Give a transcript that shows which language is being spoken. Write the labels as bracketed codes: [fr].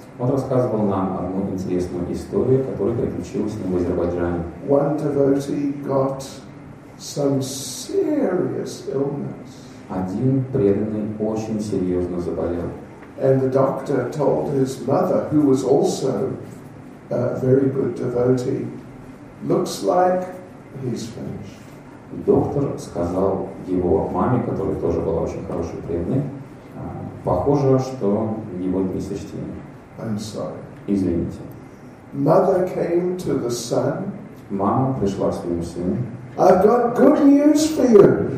[ru] Он рассказывал нам одну интересную историю, которая приключилась в Азербайджане. [en] One devotee got some serious illness. [ru] Один преданный очень серьезно заболел. [en] And the doctor told his mother, who was also a very good devotee, looks like he's finished. [ru] Доктор сказал его маме, которая тоже была очень хорошей преданной, похоже, что его дни сочтены. [en] I'm sorry. [ru] Извините. [en] Mother came to the son. [ru] Мама пришла к своему сыну. [en] I've got good news for you.